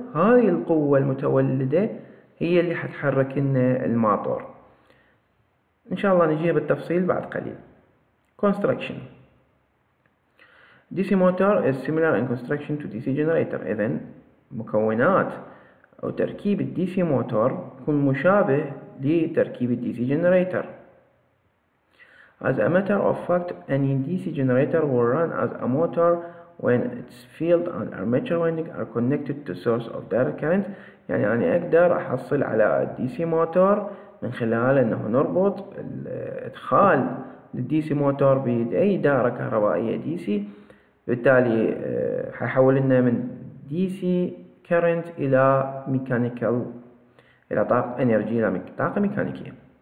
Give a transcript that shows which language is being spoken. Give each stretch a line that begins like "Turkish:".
Arabic: هاي القوة المتولدة هي اللي حتحرك لنا الماتور، إن شاء الله نجيها بالتفصيل بعد قليل.
English: Construction. DC motor is similar in construction to DC generator.
Arabic: إذن مكونات أو تركيب DC motor يكون مشابه لتركيب DC generator.
English: As a matter of fact, any DC generator will run as a motor when its field and armature winding are connected to source of direct current.
Arabic: يعني أنا أقدر أحصل على DC motor من خلال أنه نربط الإدخال الدي سي موتور بأي دائرة كهربائية دي سي، بالتالي حيحول لنا من دي سي كارنت إلى ميكانيكال، إلى طاقة انرجي، إلى طاقة ميكانيكية.